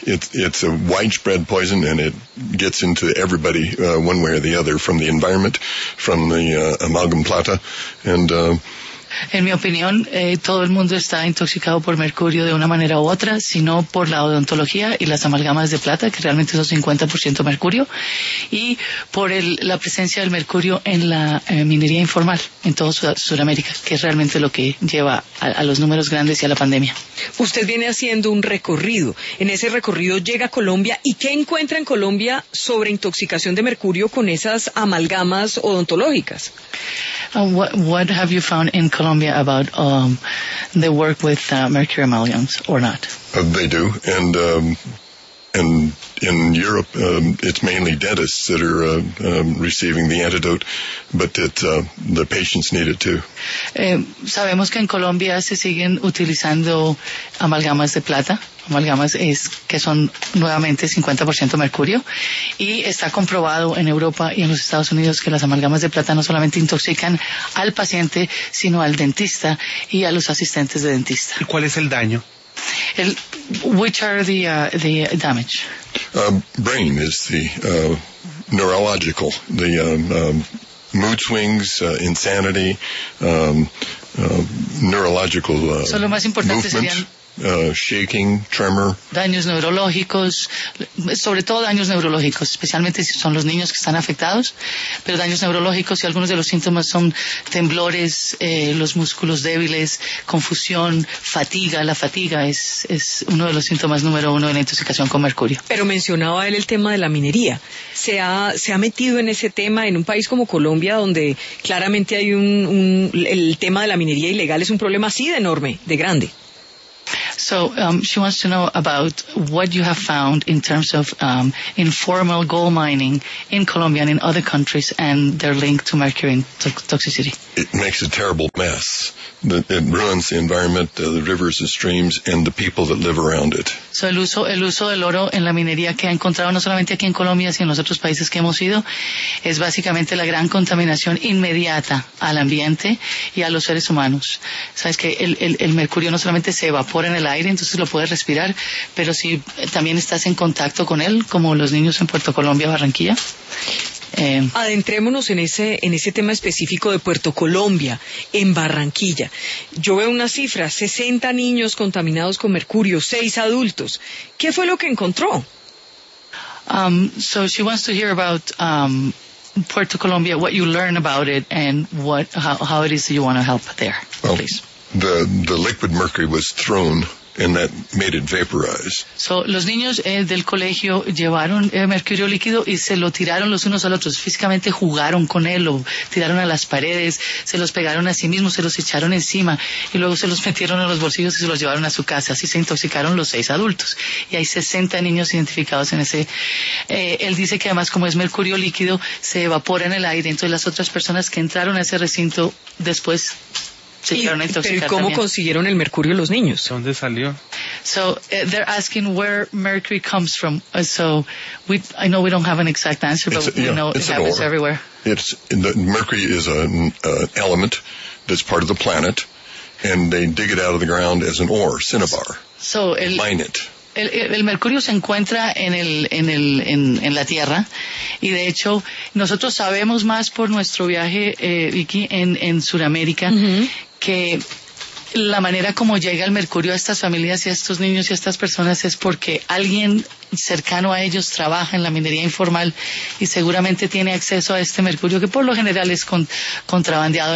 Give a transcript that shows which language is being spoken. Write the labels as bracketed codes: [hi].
[en] It's a widespread poison, and it gets into everybody one way or the other, from the environment, from the amalgam plata, and [es] en mi opinión, todo el mundo está intoxicado por mercurio de una manera u otra, sino por la odontología y las amalgamas de plata, que realmente son 50% mercurio, y por la presencia del mercurio en la minería informal en toda Sudamérica, que es realmente lo que lleva a los números grandes y a la pandemia. Usted viene haciendo un recorrido. En ese recorrido llega a Colombia. ¿Y qué encuentra en Colombia sobre intoxicación de mercurio con esas amalgamas odontológicas? [en] What have you found in Colombia about the work with mercury amalgams or not? They do, and in Europe, it's mainly dentists that are receiving the antidote, but the patients need it too. [es] Sabemos que en Colombia se siguen utilizando amalgamas de plata. Amalgamas es que son nuevamente 50% mercurio, y está comprobado en Europa y en los Estados Unidos que las amalgamas de plata no solamente intoxican al paciente, sino al dentista y a los asistentes de dentista. ¿Y cuál es el daño? [en] Which are the damage? Brain is the neurological, the mood swings, insanity, neurological movement. Shaking, tremor. [es] Daños neurológicos, sobre todo daños neurológicos, especialmente si son los niños que están afectados, pero daños neurológicos, y algunos de los síntomas son temblores, los músculos débiles, confusión, fatiga. La fatiga es uno de los síntomas número uno en la intoxicación con mercurio. Pero mencionaba él el tema de la minería. ¿Se ha metido en ese tema en un país como Colombia, donde claramente hay el tema de la minería ilegal es un problema así de enorme, de grande? [en] So she wants to know about what you have found in terms of informal gold mining in Colombia and in other countries, and their link to mercury and toxicity. It makes a terrible mess. It ruins the environment, the rivers and streams, and the people that live around it. [es] So el uso del oro en la minería que ha encontrado no solamente aquí en Colombia, sino en los otros países que hemos ido, es básicamente la gran contaminación inmediata al ambiente y a los seres humanos. Sabes que el mercurio no solamente se evapora en el aire, entonces lo puedes respirar, pero si también estás en contacto con él, como los niños en Puerto Colombia, Barranquilla. Adentrémonos en ese tema específico de Puerto Colombia, en Barranquilla. Yo veo una cifra, 60 niños contaminados con mercurio, 6 adultos. ¿Qué fue lo que encontró? [en] So she wants to hear about Puerto Colombia, what you learn about it, and how it is that you want to help there, well, please. The liquid mercury was thrown, and that made it vaporize. [es] So, los niños del colegio llevaron mercurio líquido y se lo tiraron los unos a los otros. Físicamente jugaron con él, lo tiraron a las paredes, se los pegaron a sí mismos, se los echaron encima, y luego se los metieron en los bolsillos y se los llevaron a su casa. Así se intoxicaron los 6 adultos. Y hay 60 niños identificados en ese. Él dice que además, como es mercurio líquido, se evapora en el aire. Entonces, las otras personas que entraron a ese recinto después. ¿Y cómo también consiguieron el mercurio los niños? ¿Dónde salió? [en] So they're asking where mercury comes from. So I know we don't have an exact answer, but it happens everywhere. Mercury is an element that's part of the planet, and they dig it out of the ground as an ore, cinnabar. Mine it. [es] El mercurio se encuentra en la tierra, y de hecho nosotros sabemos más por nuestro viaje, Vicky, en Sudamérica, uh-huh, que la manera como llega el mercurio a estas familias y a estos niños y a estas personas es porque alguien cercano a ellos trabaja en la minería informal y seguramente tiene acceso a este mercurio que por lo general es contrabandeado.